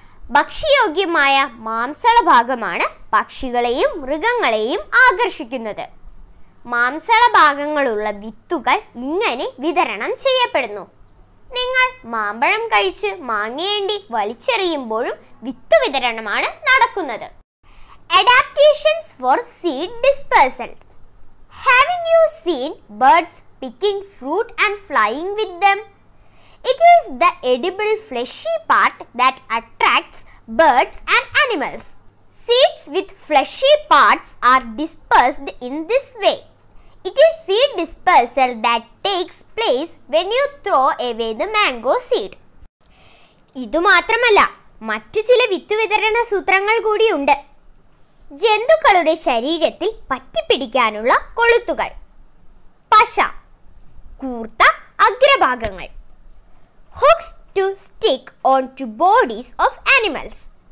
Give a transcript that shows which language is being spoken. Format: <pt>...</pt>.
<ml>ഭക്ഷ്യയോഗ്യമായ മാംസളഭാഗമാണ് പക്ഷികളെയും മൃഗങ്ങളെയും ആകർഷിക്കുന്നത്. മാംസളഭാഗങ്ങളുള്ള വിത്തുകൾ ഇങ്ങനെ വിതരണം ചെയ്യപ്പെടുന്നു. നിങ്ങൾ മാമ്പഴം കഴിച്ച് മാങ്ങയേണ്ടി വലിച്ചെറിയുമ്പോഴും വിത്ത് വിതരണമാണ് നടക്കുന്നത്.</ml> <en>Adaptations for seed dispersal. Having you seen birds picking fruit and flying with them? It is the edible fleshy part that attracts birds and animals. Seeds with fleshy parts are dispersed in this way. It is seed dispersal that takes place when you throw away the mango seed.</en> <ml>ഇതു മാത്രമല്ല, മറ്റു ചില വിത്തുവിതരണ സൂത്രങ്ങൾ കൂടിയുണ്ട്. ജന്തുക്കളുടെ ശരീരത്തിൽ പറ്റിപ്പിടിക്കാനുള്ള കൊളുത്തുകൾ. പശ, കൂർത്ത അഗ്രഭാഗങ്ങൾ.</ml> <en>Hooks to stick on to bodies of animals.</en>